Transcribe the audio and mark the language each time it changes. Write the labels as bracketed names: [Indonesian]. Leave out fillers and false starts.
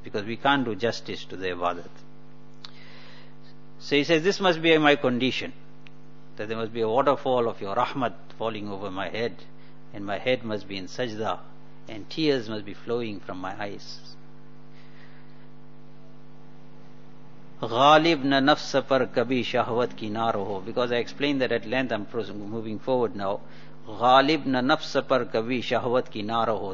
[English] Because we can't do justice to the ibadat. So he says, this must be my condition. That there must be a waterfall of your rahmat falling over my head. And my head must be in sajda. And tears must be flowing from my eyes. [Urdu] غالب نہ نفس پر کبھی شہوت کی نار ہو. [English] Because I explained that at length, I'm moving forward now. [Urdu] غالب نہ نفس پر کبھی شہوت کی نار ہو.